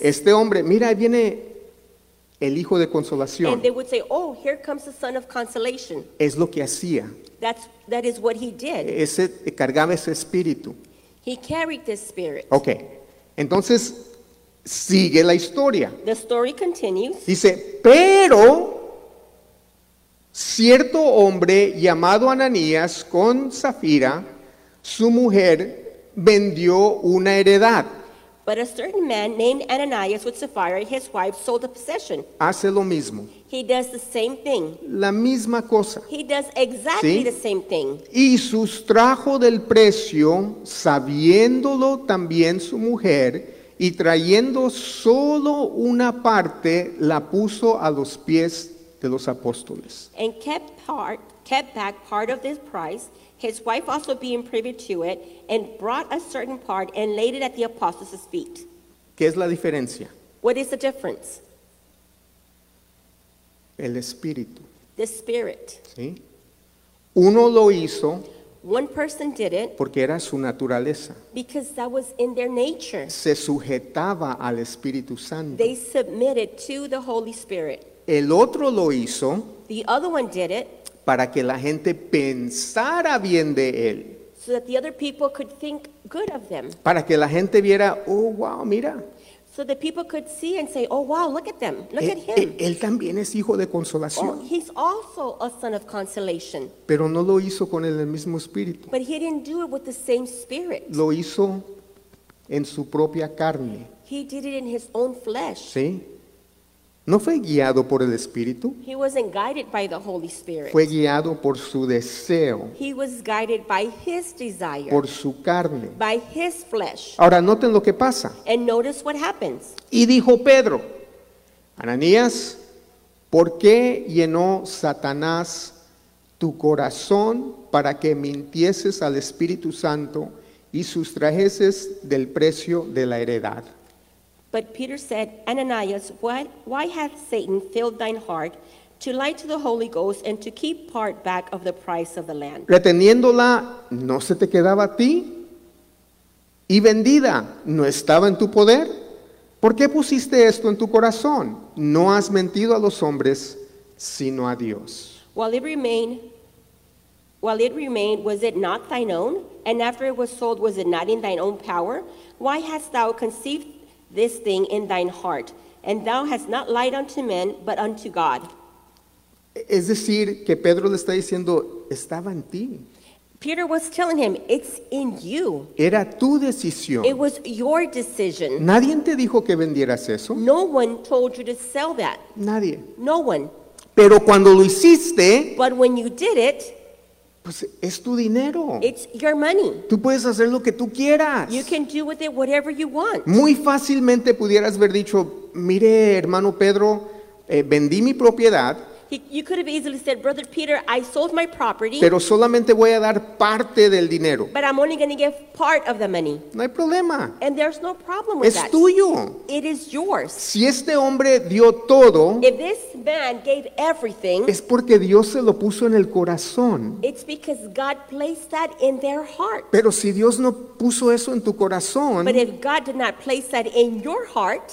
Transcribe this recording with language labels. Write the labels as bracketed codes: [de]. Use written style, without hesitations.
[es] Este hombre, mira, ahí viene el hijo de consolación. [en] And they would say, oh, here comes the son of consolation. [es] Es lo que hacía. [en] That is what he did. [es] Cargaba ese espíritu. [en] He carried this spirit. [es] Okay. Entonces, sigue la historia. [en] The story continues. [es] Dice, pero cierto hombre llamado Ananías con Zafira, su mujer, vendió una heredad. [en] But a certain man named Ananias with Sapphira, his wife, sold a possession. [es] Hace lo mismo. [en] He does the same thing. [es] La misma cosa. [en] He does exactly [es] ¿sí? [en] The same thing. [es] Y sustrajo del precio, sabiéndolo también su mujer, y trayendo solo una parte, la puso a los pies de los apóstoles. [en] And kept back part of this price, his wife also being privy to it, and brought a certain part and laid it at the apostles' feet. [es] ¿Qué es la diferencia? [en] What is the difference? [es] El espíritu. [en] The spirit. [es] ¿Sí? Uno lo hizo. [en] One person did it. [es] Porque era su naturaleza. [en] Because that was in their nature. [es] Se sujetaba al Espíritu Santo. [en] They submitted to the Holy Spirit. [es] El otro lo hizo. [en] The other one did it. [es] Para que la gente pensara bien de él. [en] So that the other people could think good of them. [es] Para que la gente viera, oh wow, mira. [en] So that people could see and say, oh wow, look at them. Look at him. [es] Él también es hijo de consolación. [en] Oh, he's also a son of consolation. [es] Pero no lo hizo con el mismo espíritu. [en] But he didn't do it with the same spirit. [es] Lo hizo en su propia carne. [en] He did it in his own flesh. [es] Sí. No fue guiado por el espíritu. [en] He wasn't guided by the Holy Spirit. [es] Fue guiado por su deseo. [en] He was guided by his desire. [es] Por su carne. [en] By his flesh. [es] Ahora noten lo que pasa. [en] And notice what happens. [es] Y dijo Pedro, Ananías, ¿por qué llenó Satanás tu corazón para que mintieses al Espíritu Santo y sustrajeses del precio de la heredad? [en] But Peter said, Ananias, why hath Satan filled thine heart to lie to the Holy Ghost and to keep part back of the price of the land? [es] Reteniéndola, ¿no se te quedaba a ti? Y vendida, ¿no estaba en tu poder? ¿Por qué pusiste esto en tu corazón? No has mentido a los hombres, sino a Dios. [en] While it remained, was it not thine own? And after it was sold, was it not in thine own power? Why hast thou conceived this thing in thine heart, and thou hast not lied unto men, but unto God. [es] Es decir, que Pedro le está diciendo, estaba en ti. [en] Peter was telling him, it's in you. [es] Era tu decisión. [en] It was your decision. [es] Nadie te dijo que vendieras eso. [en] No one told you to sell that. [es] Nadie. [en] No one. [es] Pero cuando lo hiciste. [en] But when you did it. [es] Pues es tu dinero. [en] It's your money. [es] Tú puedes hacer lo que tú quieras. [en] You can do with it whatever you want. [es] Muy fácilmente pudieras haber dicho, mire, hermano Pedro, vendí mi propiedad. [en] You could have easily said, Brother Peter, I sold my property. [es] Pero solamente voy a dar parte del dinero. [en] But I'm only going to give part of the money. [es] No hay problema. [en] And there's no problem with es that. [es] Es tuyo. [en] It is yours. [es] Si este hombre dio todo. [en] If this man gave everything. [es] Es porque Dios se lo puso en el corazón. [en] It's because God placed that in their heart. [es] Pero si Dios no puso eso en tu corazón. [en] But if God did not place that in your heart.